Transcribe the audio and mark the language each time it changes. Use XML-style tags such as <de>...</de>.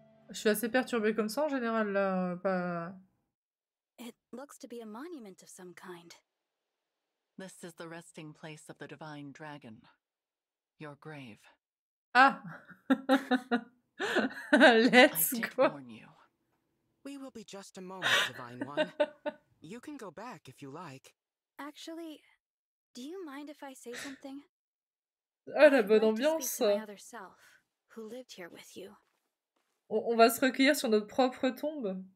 <fr>Je suis assez perturbée comme ça en général, là.</fr> <en>It looks to be a monument of some kind. This is the resting place of the divine dragon. Your grave. Ah! Let's go! I did warn you. We will be just a moment, divine one. You can go back if you like. Actually, do you mind if I say something?</en> <fr>Ah, la bonne ambiance!</fr> <en>My other self, who lived here with you.</en> <fr>On va se recueillir sur notre propre tombe.</fr>